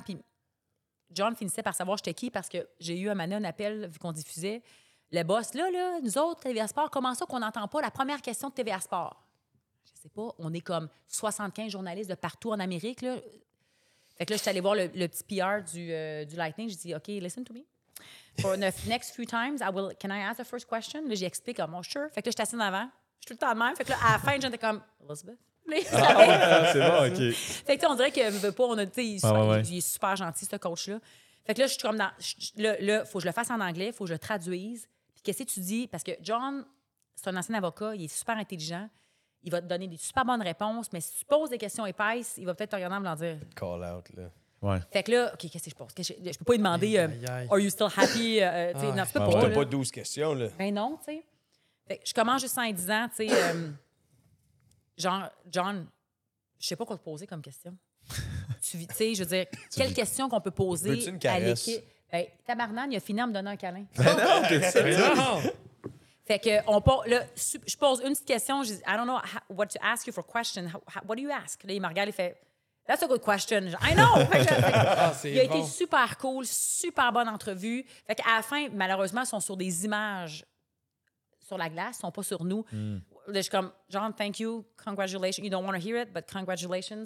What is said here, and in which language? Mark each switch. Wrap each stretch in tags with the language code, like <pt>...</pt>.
<fr>Puis, John finissait par savoir j'étais qui parce que j'ai eu un appel vu qu'on diffusait. Le boss, là, nous autres, TVA Sport, comment ça qu'on n'entend pas la première question de TVA Sport? Je sais pas. On est comme 75 journalistes de partout en Amérique, là. Fait que là, j'étais allée voir le petit PR du Lightning. J'ai dit, OK,</fr> <en>listen to me. For the next few times, can I ask the first question?</en> <fr>Là, j'y explique, comme, oh, sure. Fait que là, j'étais assise en avant. Je suis tout le temps de même. Fait que là, à la fin, j'étais comme, Elizabeth. C'est bon, OK. Fait que tu on dirait qu'il veut pas, il est super gentil, ce coach-là. Fait que là, je suis comme dans. Là, faut que je le fasse en anglais, faut que je le traduise. Puis qu'est-ce que tu dis? Parce que John, c'est un ancien avocat, il est super intelligent. Il va te donner des super bonnes réponses, mais si tu poses des questions épaisses, il va peut-être te regarder en me l'en dire. Call out, là. Ouais. Fait que là, OK, qu'est-ce que je pose? Je peux pas lui demander,</fr> <en>Are you still happy?</en> <fr>Non, c'est pas pour toi. T'as pas 12 questions, là. Ben non, tu sais. Fait que je commence juste en disant, tu sais, John, je sais pas quoi te poser comme question. Tu sais, je veux dire, quelle question qu'on peut poser une à l'équipe? Ben, tabarnan, il a fini en me donnant un câlin. Fait que je pose une petite question. Je dis,</fr> <en>I don't know what to ask you for question. What do you ask?</en> <fr>Là, il me regarde, il fait,</fr> <en>that's a good question. I know!</en> <fr>Il a été super cool, super bonne entrevue. Fait qu'à la fin, malheureusement, ils sont sur des images sur la glace, ils sont pas sur nous. Je suis comme,</fr> <en>John, thank you, congratulations. You don't want to hear it, but congratulations.</en>